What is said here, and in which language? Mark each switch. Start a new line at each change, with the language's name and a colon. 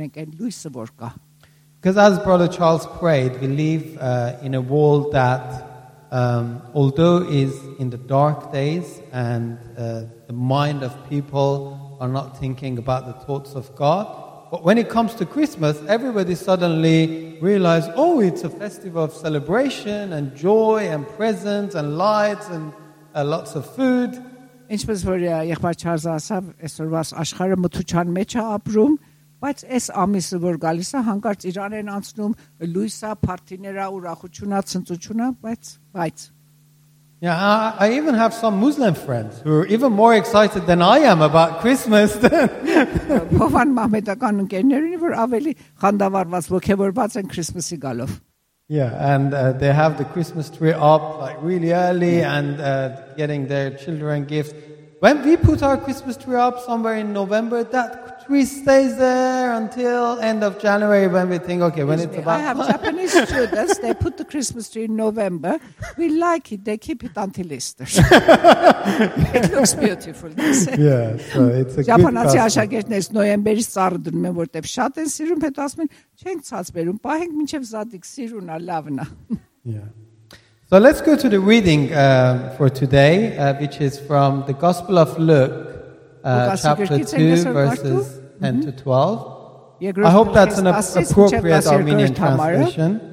English: Because as Brother Charles prayed, we live in a world that, although is in the dark days and the mind of people are not thinking about the thoughts of God, but when it comes to Christmas, everybody suddenly realizes, oh, it's a festival of celebration and joy and presents and lights and lots of food.
Armenian: Ինչպես որ եղբայր Չարզ ասավ, այսօրվա աշխարհը մթության մեջ է ապրում, բայց այս ամիսը, որ գալիս է, հանկարծ իրար են անցնում, լույսա, փարթիներա, ուրախությունա, ցնծությունա, բայց.
English: Yeah, I even have some Muslim friends who are even more excited than I am about Christmas.
Armenian: Հովան մահմեդական ընկերներ ունի, որ ավելի խանդավառված, ոգևորված են Քրիսմսի գալով.
English: Yeah, and they have the Christmas tree up like really early and getting their children gifts. When we put our Christmas tree up somewhere in November, that tree stays there until end of January when we think, okay, when it's about... I have Japanese students, they put the Christmas tree in November. We like it, they keep it until Easter. It looks beautiful, they say. Yeah, so it's a
Armenian: Japanese աշակերտներ նոյեմբերից ծառը դնում են, որտեղ շատ են սիրում, հետո ասում են, չենք ցածբերում, պահենք մինչև զատիկ, սիրուն է, լավն է.
English: So let's go to the reading for today, which is from the Gospel of Luke, chapter 2, verses 10 to 12. I hope that's an appropriate Armenian translation.